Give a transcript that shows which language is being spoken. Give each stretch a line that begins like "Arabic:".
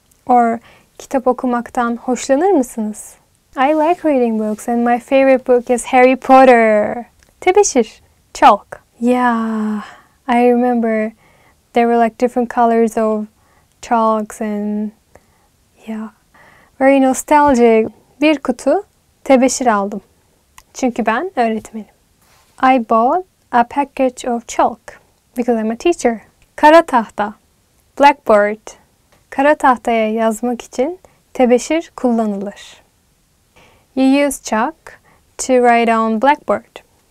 Turkish: Or kitap okumaktan hoşlanır mısınız?
English: I like reading books and my favorite book is Harry Potter.
Turkish: Tebeşir.
English: Chalk. Yeah, I remember there were like different colors of chalks and yeah. Very nostalgic.
Turkish: Bir kutu tebeşir aldım. Çünkü ben öğretmenim.
English: I bought a package of chalk, because I'm a teacher.
Turkish: Kara tahta,
English: blackboard.
Turkish: Kara tahtaya yazmak için tebeşir kullanılır.
English: You use chalk to write on blackboard.